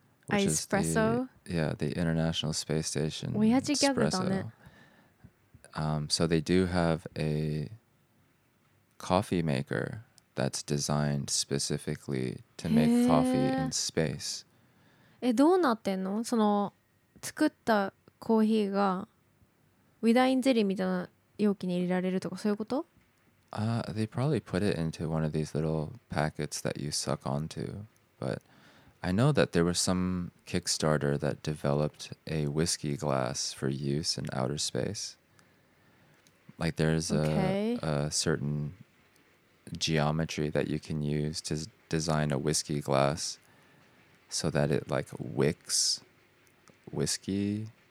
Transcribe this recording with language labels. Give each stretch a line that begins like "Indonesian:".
English: Espresso? The International Space Station. We had together on it. So they do have a coffee maker that's designed specifically to make coffee in space.
Japanese: どうなってんの? その作ったコーヒーがウィダインゼリーみたいな容器に入れられるとかそういうこと?
English: They probably put it into one of these little packets that you suck onto. But I know that there was some Kickstarter that developed a whiskey glass for use in outer space. Like there's a certain geometry that you can use to design a whiskey glass so that it like wicks whiskey.